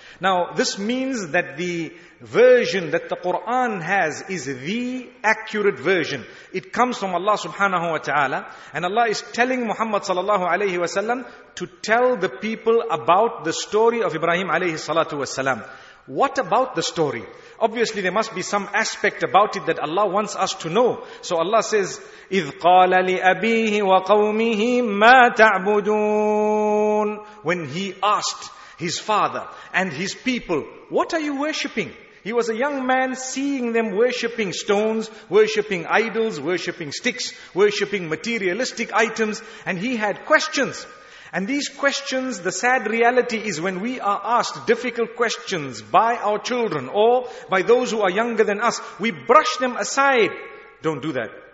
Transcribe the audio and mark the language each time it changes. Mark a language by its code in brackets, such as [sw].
[en] Now, this means that the version that the Quran has is the accurate version. It comes from Allah subhanahu wa ta'ala. And Allah is telling Muhammad sallallahu alayhi wa sallam to tell the people about the story of Ibrahim alayhi salatu wa sallam. What about the story? Obviously, there must be some aspect about it that Allah wants us to know. So Allah says, [ar] إِذْ قَالَ لِأَبِيهِ وَقَوْمِهِ مَا تَعْبُدُونَ. [en] When he asked his father and his people, what are you worshipping? He was a young man seeing them worshipping stones, worshipping idols, worshipping sticks, worshipping materialistic items, and he had questions. And these questions, the sad reality is when we are asked difficult questions by our children or by those who are younger than us, we brush them aside. Don't do that.